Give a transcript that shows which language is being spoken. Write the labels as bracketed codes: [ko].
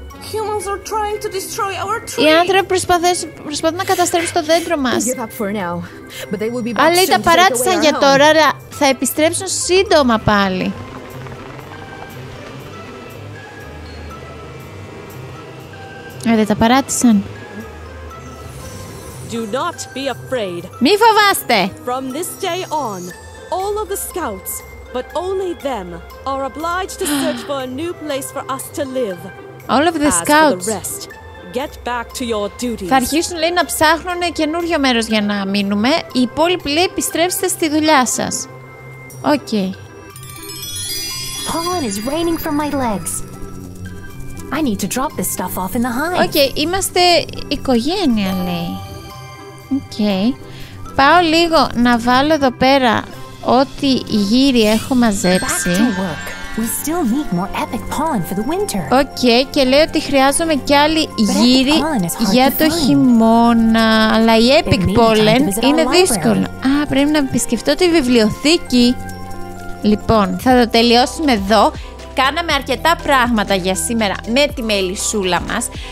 [en] Humans are trying to destroy our tree. [el] Οι άνθρωποι προσπαθούν να καταστρέψουν το δέντρο μας. Αλλά τα παράτησαν για τώρα, αλλά θα επιστρέψουν σύντομα πάλι. Δεν τα παράτησαν. [en] Do not be afraid. [el] Μη φοβάστε. [en] From this day on, all of the scouts, but only them, are obliged to search for a new place for us to live. All of the scouts. As for the rest, get back to your duties. [el] Θα αρχίσουν, λέει, να ψάχνουν καινούριο μέρος για να μείνουμε. Οι υπόλοιποι, λέει, επιστρέψτε στη δουλειά σας. Okay. [en] Pollen is raining from my legs. I need to drop this stuff off in the hive. [el] Okay, είμαστε οικογένεια, λέει. Okay. Πάω λίγο να βάλω εδώ πέρα ό,τι γύρι έχω μαζέψει. [en] We still need more epic pollen for the winter. [el] Okay, και λέω ότι χρειάζομαι και άλλη γύρι για το χειμώνα. Αλλά η epic pollen είναι δύσκολο. Α, πρέπει να επισκεφτώ τη βιβλιοθήκη. Λοιπόν, θα το τελειώσουμε εδώ. Κάναμε αρκετά πράγματα για σήμερα με τη μελισσούλα μας.